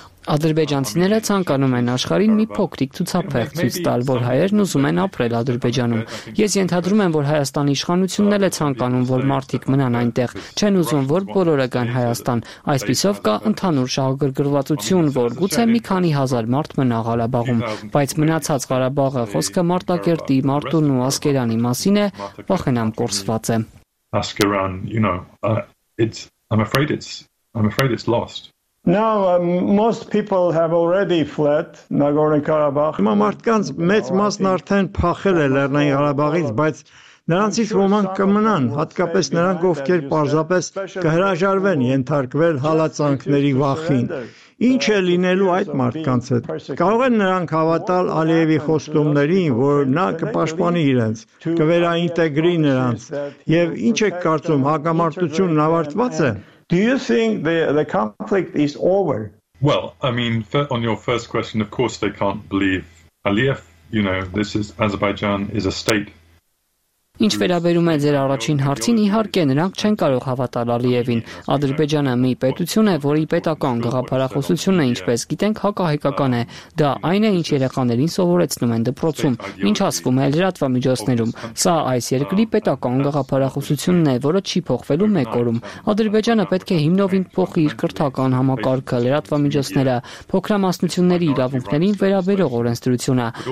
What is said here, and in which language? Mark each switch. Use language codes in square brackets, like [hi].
[hy] Ադրբեջանցիները ցանկանում են աշխարհին մի փոքրիկ ցուցափեղ ցույց տալ, որ հայերն ուզում են ապրել Ադրբեջանում։ Ես ենթադրում եմ, որ Հայաստանի իշխանությունն էլ է ցանկանում, որ մարդիկ մնան այնտեղ, չեն ուզում, որ բոլորը գան Հայաստան։ Այսպիսով կա ընդհանուր շահագրգռվածություն, որ գուցե մի քանի հազար մարդ մնա Ղարաբաղում, բայց մնացած Ղարաբաղը, խոսքը Մարտակերտի, Մարտուն ու Ասկերանի մասին է, վախենամ կորսված է։ [en] Ասկերան, you know, I'm afraid it's lost. Now most people have already fled Nagorno-Karabakh. [hy] Հիմա մարդկանց մեծ մասն արդեն փախել է Լեռնային Ղարաբաղից, բայց նրանցից ոմանք կմնան, հատկապես նրանք, ովքեր պարզապես կհրաժարվեն ենթարկվել հալածանքների վախին։ Ինչ է լինելու այդ մարդկանց հետ։ Կարող են նրանք հավատալ Ալիևի խոստումներին, որ նա կպաշտպանի իրենց, կվերաինտեգրի նրանց, եւ ինչ եք կարծում, հակամարտությունն ավարտված է։ [en] Do you think the conflict is over? Well, I mean, on your first question, of course they can't believe Aliyev, you know, this is Azerbaijan is a state. [hy] Ինչ վերաբերում է ձեր առաջին հարցին, իհարկե նրանք չեն կարող հավատալ Ալիևին։ Ադրբեջանը մի պետություն է, որի պետական գաղափարախոսությունը, ինչպես գիտենք, հակահայկական է։ Դա այն է, ինչ երեխաներին սովորեցնում են դպրոցում, ինչ ասվում է լրատվամիջոցներում։ Սա այս երկրի պետական գաղափարախոսությունն է, որը չի փոխվելու մեկ օրում։ Ադրբեջանը պետք է հիմնովին փոխի իր կրթական համակարգը, լրատվամիջոցները, փոքրամասնությունների իրավունքներին վերաբերող օրենսդրությունը։